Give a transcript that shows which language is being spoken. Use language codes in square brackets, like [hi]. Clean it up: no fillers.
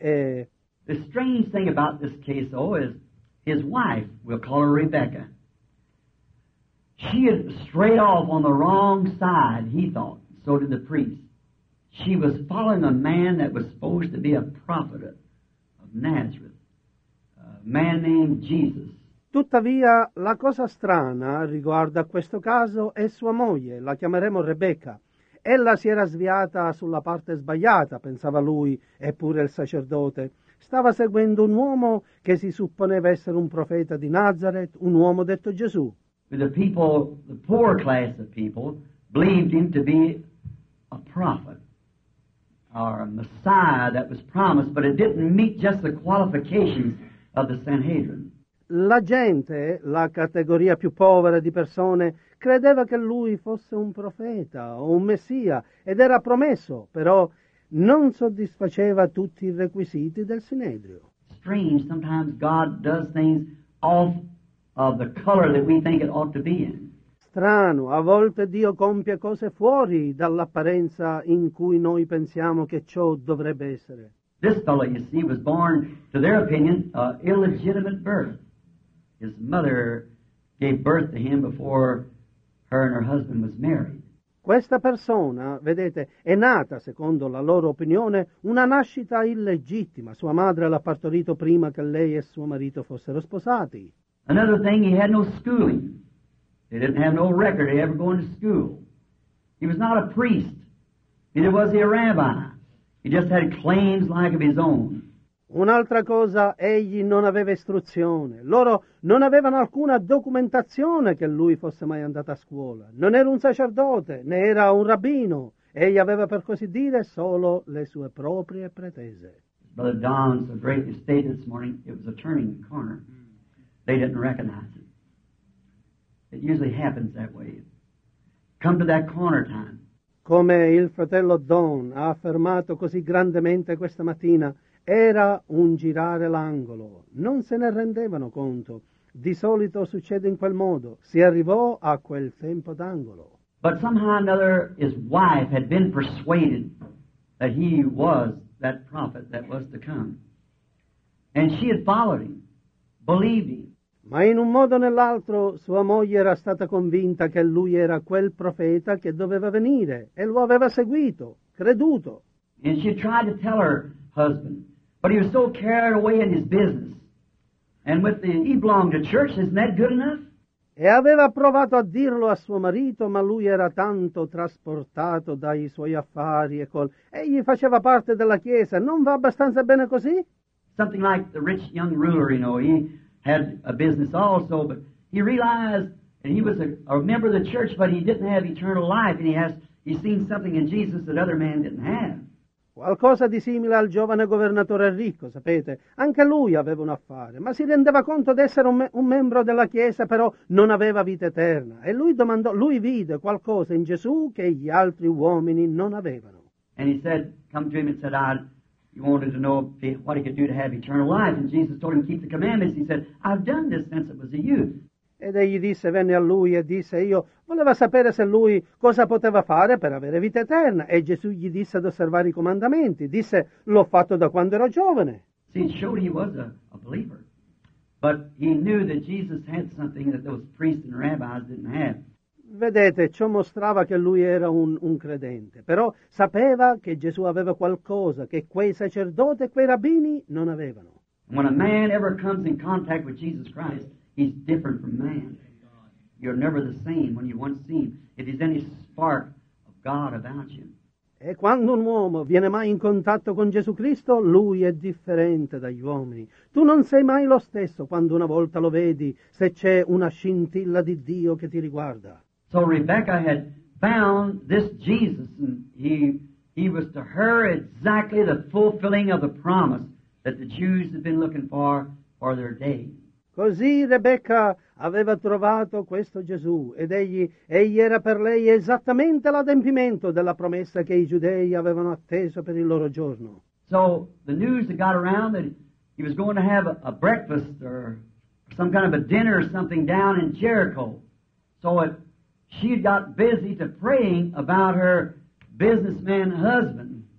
[en] E the strange thing about this case though is his wife, we'll call her Rebecca, she had strayed off on the wrong side, he thought, so did the priest. She was following a man that was supposed to be a prophet of Nazareth, a man named Jesus. [it] Tuttavia, la cosa strana riguardo a questo caso è sua moglie, la chiameremo Rebecca. Ella si era sviata sulla parte sbagliata, pensava lui, eppure il sacerdote. Stava seguendo un uomo che si supponeva essere un profeta di Nazareth, un uomo detto Gesù. [en] The people, the poor class of people, believed him to be a prophet. or Messiah that was promised, but it didn't meet just the qualifications of the Sanhedrin. [it] La gente, la categoria più povera di persone, credeva che lui fosse un profeta o un messia ed era promesso, però non soddisfaceva tutti i requisiti del Sinedrio. [en] Strange, sometimes God does things off of the color that we think it ought to be in. [it] Strano, a volte Dio compie cose fuori dall'apparenza in cui noi pensiamo che ciò dovrebbe essere. [en] This fellow, you see, was born, to their opinion, an illegitimate birth. His mother gave birth to him before her and her husband was married. [it] Questa persona, vedete, è nata, secondo la loro opinione, una nascita illegittima. Sua madre l'ha partorito prima che lei e suo marito fossero sposati. [en] Another thing, he had no schooling. He didn't have no record of ever going to school. He was not a priest. Neither was he a rabbi. He just had claims like of his own. [it] Un'altra cosa, egli non aveva istruzione. Loro non avevano alcuna documentazione che lui fosse mai andato a scuola. Non era un sacerdote, né era un rabbino. Egli aveva, per così dire, solo le sue proprie pretese. [en] Brother Don so greatly stated this morning, it was a turning corner. They didn't recognize it. It usually happens that way. Come to that corner time. [it] Come il fratello Don ha affermato così grandemente questa mattina, era un girare l'angolo. Non se ne rendevano conto. Di solito succede in quel modo. Si arrivò a quel tempo d'angolo. [en] But somehow or another, his wife had been persuaded that he was that prophet that was to come. And she had followed him, believed him. [it] Ma in un modo o nell'altro sua moglie era stata convinta che lui era quel profeta che doveva venire e lo aveva seguito, creduto. [en] And she tried to tell her husband, but he was so carried away in his business. And with the he belonged to church, isn't that good enough? [it] E aveva provato a dirlo a suo marito, ma lui era tanto trasportato dai suoi affari e col egli faceva parte della chiesa, non va abbastanza bene così? [en] Something like the rich young ruler, you know, he had a business also, but he realized that he was a member of the church, but he didn't have eternal life, and he's seen something in Jesus that other men didn't have. [it] Qualcosa di simile al giovane governatore ricco, sapete? Anche lui aveva un affare, ma si rendeva conto d'essere un membro della Chiesa, però non aveva vita eterna. E lui domandò, lui vide qualcosa in Gesù che gli altri uomini non avevano. [en] And he said, come to him and said, he wanted to know what he could do to have eternal life. And Jesus told him, keep the commandments. He said, I've done this since it was a youth. [it] Ed egli disse, venne a lui e disse, io voleva sapere se lui cosa poteva fare per avere vita eterna. E Gesù gli disse ad osservare i comandamenti. Disse, l'ho fatto da quando ero giovane. [en] See, it showed he was a believer. But he knew that Jesus had something that those priests and rabbis didn't have. [it] Vedete, ciò mostrava che lui era un credente. Però sapeva che Gesù aveva qualcosa che quei sacerdoti e quei rabbini non avevano. [en] When a man ever comes in contact with Jesus Christ, he's different from man. You're never the same when you once see him. If there's any spark of God about you. [it] E quando un uomo viene mai in contatto con Gesù Cristo, lui è differente dagli uomini. Tu non sei mai lo stesso quando una volta lo vedi, se c'è una scintilla di Dio che ti riguarda. [en] So Rebecca had found this Jesus, and he was to her exactly the fulfilling of the promise that the Jews had been looking for their day. [it] Così Rebecca aveva trovato questo Gesù ed egli era per lei esattamente l'adempimento della promessa che i giudei avevano atteso per il loro giorno. [en] So the news that got around that he was going to have a breakfast or some kind of a dinner or something down in Jericho. So she had got busy to praying about her businessman husband.